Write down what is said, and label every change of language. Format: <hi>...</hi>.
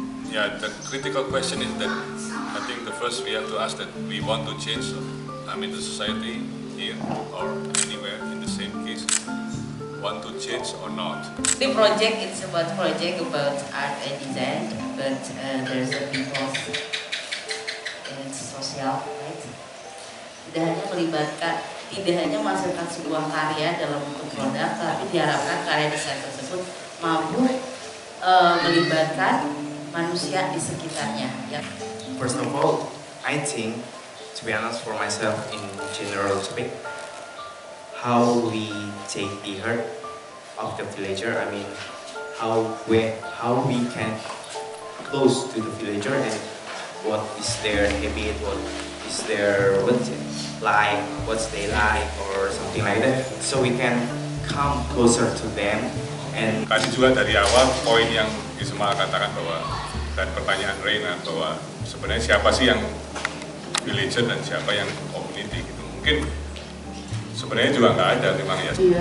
<en>Yeah, the critical question is that I think the first we have to ask that we want to change, I mean, the society here or anywhere in the same case, want to change or not. The project, it's about project about art and design, but there's a because and it's social, right?</en> <id>Tidak hanya melibatkan, tidak hanya menghasilkan sebuah karya dalam bentuk produk, tapi diharapkan karya desain tersebut mampu melibatkan manusia di sekitarnya.</id> <en>Yeah. First of all, I think, to be honest for myself in general topic, how we take the heart of the villager, I mean, how we can close to the villager and what is their habit, what is their what's their life or something like that, so we can come closer to them. And</en> <id>tadi juga dari awal poin yang Isma katakan bahwa, dan pertanyaan Reina, bahwa sebenarnya siapa sih yang village dan siapa yang community gitu, mungkin sebenarnya juga nggak ada memang ya.</id>